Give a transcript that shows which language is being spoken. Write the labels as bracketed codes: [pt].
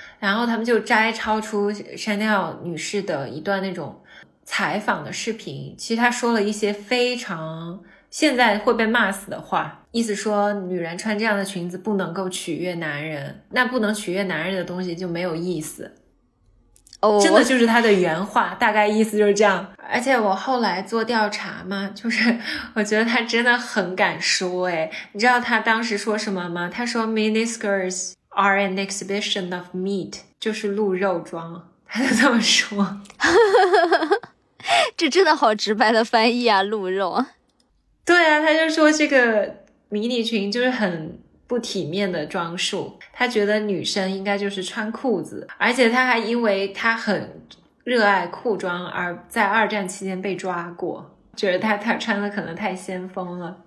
[zh] 然后他们就摘抄出 Chanel 女士的一段那种采访的视频，其实她说了一些非常现在会被骂死的话，意思说女人穿这样的裙子不能够取悦男人，那不能取悦男人的东西就没有意思。哦、oh. ，真的就是她的原话，大概意思就是这样。而且我后来做调查嘛，就是我觉得她真的很敢说，哎，你知道她当时说什么吗？她说 [en] mini skirts are an exhibition of meat， [zh] 就是露肉装，她就这么说。这真的好直白的翻译啊，露肉。对啊，他就说这个迷你裙就是很不体面的装束，他觉得女生应该就是穿裤子，而且他还因为他很热爱裤装而在二战期间被抓过，觉得他穿的可能太先锋了。